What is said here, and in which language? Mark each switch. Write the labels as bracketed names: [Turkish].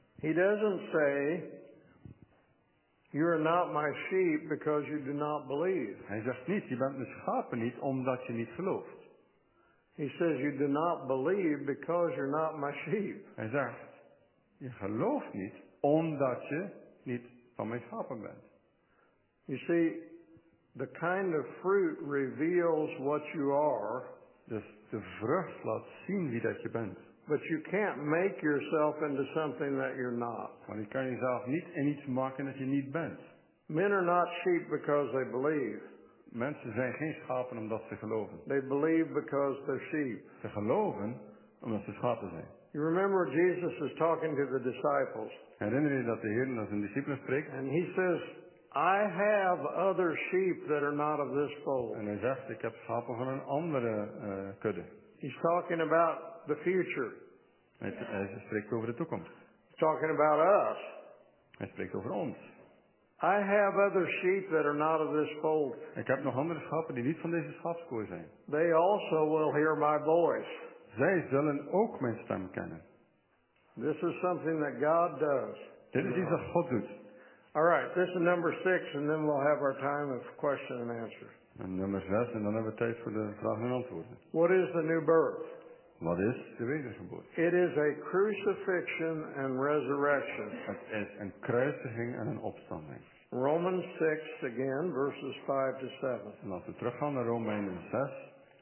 [English] He doesn't say, you are not my sheep because you do not believe. [Dutch] Hij zegt niet, je bent mijn schapen niet omdat je niet gelooft. [English] He says, you do not believe because you're not my sheep. [Dutch] Hij zegt, je gelooft niet omdat je niet van mijn schapen bent. [English] You see, the kind of fruit reveals what you are. [Dutch] Dus de vrucht laat zien wie dat je bent. [English] But you can't make yourself into something that you're not. [Dutch] Want je kan jezelf niet in iets maken dat je niet bent. [English] Men are not sheep because they believe. [Dutch] Mensen zijn geen schapen omdat ze geloven. [English] They believe because they're sheep. [Dutch] Ze geloven omdat ze schapen zijn. [English] You remember Jesus is talking to the disciples. [Dutch] Herinner je dat de Heer naar zijn discipelen spreekt? [English] And he says, I have other sheep that are not of this fold. [Dutch] En hij zegt, ik heb schapen van een andere kudde. [English] He's talking about the future. [Dutch] Hij spreekt over de toekomst. [English] He's talking about us. [Dutch] Hij spreekt over ons. [English] I have other sheep that are not of this fold. [Dutch] Ik heb nog andere schapen die niet van deze schapskooi zijn. [English] They also will hear my voice. [Dutch] Zij zullen ook mijn stem kennen. [English] This is something that God does. [Dutch] Dit is iets dat God doet. [English] All right, this is number 6, and then we'll have our time of question and answer. [Dutch] En nummer 6, en dan hebben we tijd voor de vragen en antwoorden. [English] What is the new birth? [Dutch] Wat is de wedergeboorte? [English] It is a crucifixion and resurrection. [Dutch] Het is een kruisiging en een opstanding. [English] Romans 6, again, verses 5 to 7. [Dutch] En als we teruggaan naar Romeinen 6.